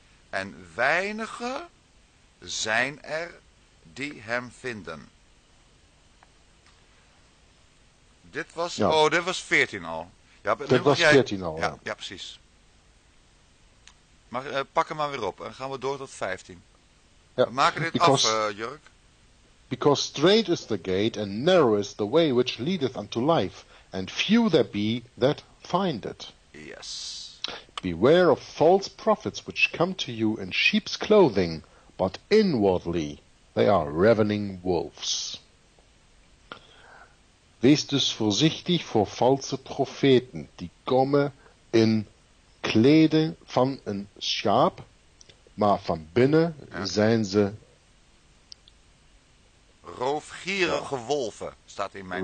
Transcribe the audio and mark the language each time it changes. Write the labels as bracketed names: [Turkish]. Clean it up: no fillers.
[Dutch] En weinige zijn er die hem vinden. Dit was, ja. Oh, dit was 14 al. Ja, dit was 14 al. Ja, precies. Maar pak hem maar weer op en gaan we door tot 15. Ja. We maken dit af, Jurk. [English] Because straight is the gate, and narrow is the way which leadeth unto life, and few there be that find it. Yes. Beware of false prophets which come to you in sheep's clothing, but inwardly they are ravening wolves. [Dutch] Wees dus voorzichtig voor valse profeten, die komen in kleden van een schaap, maar van binnen zijn ze roofgierige wolven, staat in mijn